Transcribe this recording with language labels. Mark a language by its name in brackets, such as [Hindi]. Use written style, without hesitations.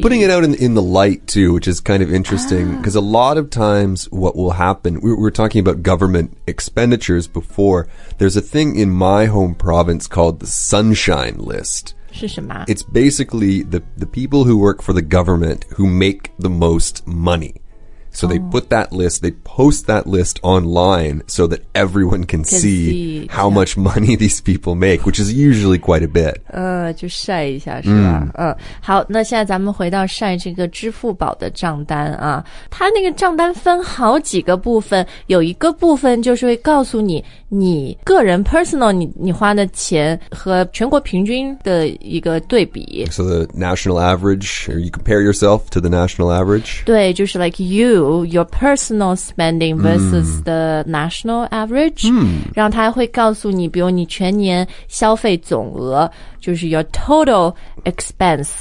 [English] Putting it out in the light too, which is kind of interesting, because a lot of times what will happen, we're talking about government expenditures before, there's a thing in my home province called the Sunshine List. [Chinese] 是什么? [English] It's basically the people who work for the government who make the most money. So they put that list, they post that list online so that everyone can see how much money these people make, which is usually quite a bit. [Chinese] 就晒一下是吧、好那现在咱们回到晒这个支付宝的账单啊。它那个账单分好几个部分有一个部分就是会告诉你你个人 personal 你花的钱和全国平均的一个对比。 [English] So the national average, or you compare yourself to the national average? [Chinese] 对就是 [English] like you,your personal spending versus the national average、 [Chinese] 然后他会告诉你比如你全年消费总额就是 [English] your total expense